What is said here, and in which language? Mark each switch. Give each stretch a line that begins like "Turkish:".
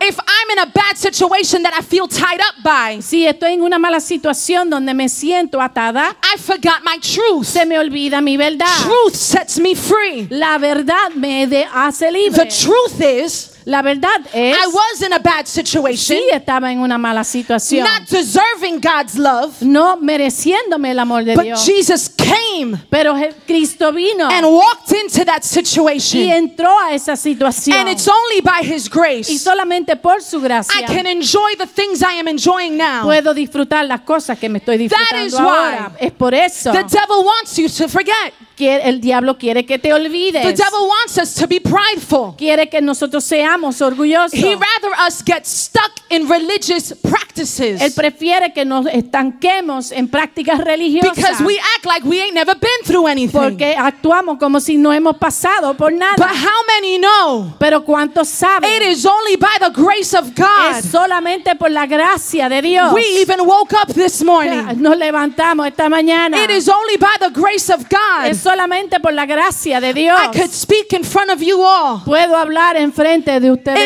English: If I'm in a bad situation that I feel tied up by.
Spanish: Si estoy en una mala situación donde me siento atada.
English: I forgot my truth.
Spanish: Se me olvida mi verdad.
English: Truth sets me free.
Spanish: La verdad me hace libre.
English: The truth is.
Spanish: La verdad es.
English: I was in a bad situation.
Spanish: Sí, estaba en una mala situación.
English: Not deserving God's love.
Spanish: No mereciéndome el amor de
English: but
Spanish: Dios.
English: But Jesus came.
Spanish: Pero Cristo vino.
English: And walked in. into that situation.
Spanish: Y entró a esa situación.
English: And it's only by His grace.
Spanish: Y solamente por su gracia.
English: I can enjoy the things I am enjoying now.
Spanish: Puedo disfrutar las cosas que me estoy disfrutando
English: that is
Spanish: ahora.
English: Why
Spanish: es por eso.
English: The devil wants you to forget.
Spanish: El diablo quiere que te olvides.
English: The devil wants us to be prideful.
Spanish: Quiere que nosotros seamos orgullosos.
English: He rather us get stuck in religious practices.
Spanish: Él prefiere que nos estanquemos en prácticas religiosas.
English: Because we act like we ain't never been through anything.
Spanish: Porque actuamos como si no hemos pasado por nada.
English: But how many know?
Spanish: Pero ¿cuántos saben?
English: It is only by the grace of God.
Spanish: Es solamente por la gracia de Dios.
English: We even woke up this morning.
Spanish: Nos levantamos esta mañana.
English: It is only by the grace of God.
Spanish: Es solamente por la gracia de Dios.
English: I could speak in front of you all.
Spanish: Puedo hablar en frente de ustedes.